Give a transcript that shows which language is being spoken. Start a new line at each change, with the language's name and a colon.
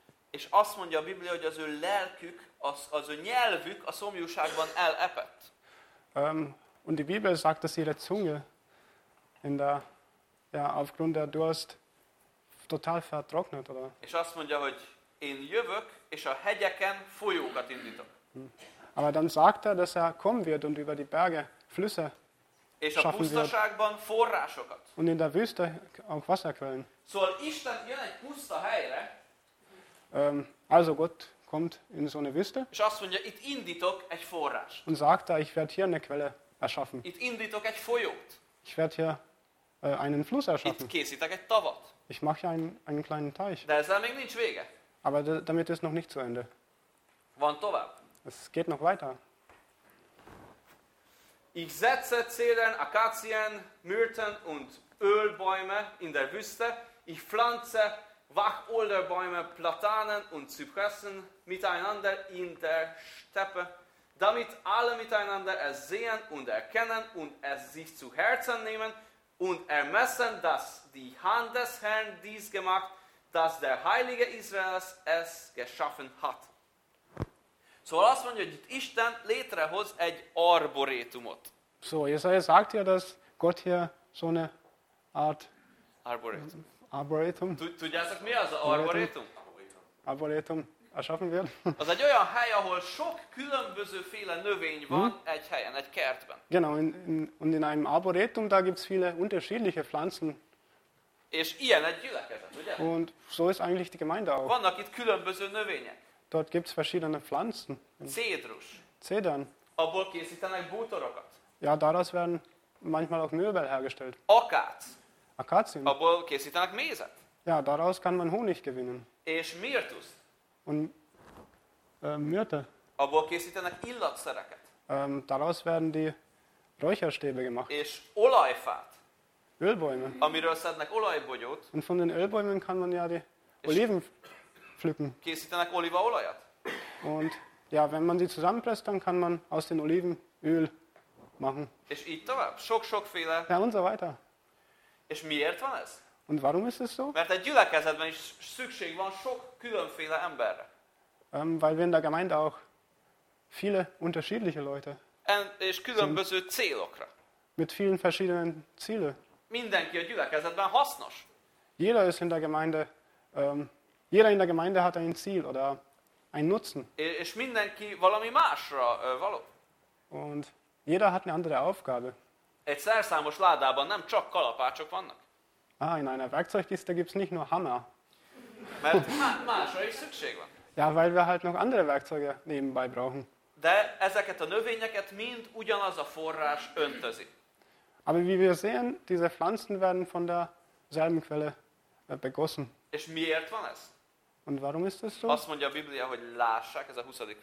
Hungarian: És azt mondja a Biblia, hogy az ő lelkük, az ő nyelvük a szomjúságban elepett.
German: Und die Bibel sagt, dass ihre Zunge in der ja, aufgrund der Durst total vertrocknet, oder?
Hungarian: És azt mondja, hogy én jövök, és a hegyeken folyókat indítok.
German: Aber dann sagt er, dass er kommen wird und über die Berge Flüsse schaffen wird.
Hungarian: És a pusztaságban forrásokat.
German: Und in der Wüste auch Wasserquellen.
Hungarian: Szóval Isten jön egy puszta helyre.
German: Also Gott kommt in so eine Wüste.
Hungarian: És azt mondja, itt indítok egy forrás.
German: Und sagt er, ich werde hier eine Quelle erschaffen.
Hungarian: Itt indítok egy folyót.
German: Ich werde hier einen Fluss erschaffen.
Hungarian: Itt készítek egy tavat.
German: Ich mache einen kleinen Teich.
Hungarian: De ezzel még nincs vége.
German: Aber damit ist noch nicht zu Ende.
Hungarian: Van tovább.
German: Es geht noch weiter. Ich setze Zedern, Akazien, Myrten und Ölbäume in der Wüste. Ich pflanze Wacholderbäume, Platanen und Zypressen miteinander in der Steppe, damit alle miteinander es sehen und erkennen und es sich zu Herzen nehmen und ermessen, dass die Hand des Herrn dies gemacht, dass der Heilige Israels es geschaffen hat.
Hungarian: Szóval azt mondja, hogy Isten létrehoz egy arborétumot.
German: So, Jesaja sagt ja, dass Gott hier so eine Art Arboretum.
Hungarian: Tudjátok, mi az arborétum?
German: Arboretum erschaffen wird.
Hungarian: Az egy olyan hely, ahol sok különböző féle növény van egy helyen, egy kertben.
German: Genau, und in einem Arboretum, da gibt's viele unterschiedliche Pflanzen.
Hungarian: És ilyen egy gyülekezet, ugye?
German: Und so ist eigentlich die Gemeinde auch.
Hungarian: Vannak itt különböző növények.
German: Dort gibt's verschiedene Pflanzen.
Hungarian: Cédrus.
German: Cédern.
Hungarian: Abból készítenek bútorokat.
German: Ja, daraus werden manchmal auch Möbel hergestellt.
Hungarian: Akác.
German: Akazien.
Hungarian: Abból készítenek mézet.
German: Ja, daraus kann man Honig gewinnen.
Hungarian: És Myrtus.
German: Und Myrte.
Hungarian: Abból készítenek illatszereket.
German: Daraus werden die Räucherstäbe gemacht.
Hungarian: És olajfát.
German: Ölbäume.
Hungarian: Amiről szednek olajbogyót.
German: Und von den Ölbäumen kann man ja die Oliven pflücken.
Hungarian: Készítenek olívaolajat.
German: Und ja, wenn man sie zusammenpresst, dann kann man aus den Oliven Öl machen.
Hungarian: És így tovább. Sok-sokféle.
German: Ja, und so weiter.
Hungarian: És miért van ez?
German: Und warum ist es so?
Hungarian: Mert egy gyülekezetben is szükség van sok különféle emberre.
German: Weil wir in der Gemeinde auch viele unterschiedliche Leute
Hungarian: és különböző célokra.
German: Mit vielen verschiedenen Zielen.
Hungarian: Mindenki a gyülekezetben hasznos.
German: Jeder ist in der Gemeinde, jeder in der Gemeinde hat ein Ziel oder einen Nutzen.
Hungarian: És mindenki valami másra való.
German: Und jeder hat eine andere Aufgabe.
Hungarian: Egy szerszámos ládában nem csak kalapácsok vannak.
German: Ah, in einer Werkzeugkiste gibt's nicht nur Hammer.
Hungarian: Mert másra is szükség van.
German: Ja, weil wir halt noch andere Werkzeuge nebenbei brauchen.
Hungarian: De ezeket a növényeket mind ugyanaz a forrás öntözi.
German: Aber wie wir sehen, diese Pflanzen werden von derselben Quelle begossen.
Hungarian: És miért van ez?
German: Und warum ist das so?
Hungarian: Azt mondja a Biblia, hogy lássák, ez a 20.